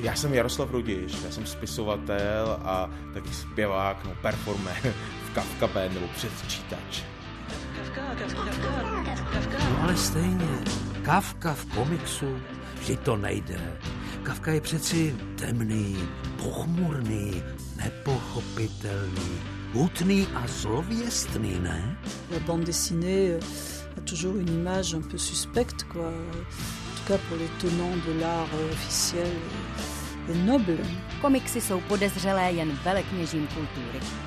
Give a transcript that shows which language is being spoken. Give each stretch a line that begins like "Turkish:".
Czech: Já jsem Jaroslav Rudiš, já jsem spisovatel a taky zpěvák, no performer v Kafka Band nebo předčítač. No ale stejně, Kafka v komiksu, vždy to nejde. Kafka je přeci temný, pochmurný, nepochopitelný. Hutný a zlověstný, ne?
French: La bande dessinée a toujours une image un peu suspecte, quoi. En tout cas pour les tenants de l'art officiel, est noble.
Czech: Komiksy jsou podezřelé jen velekněžím kultury.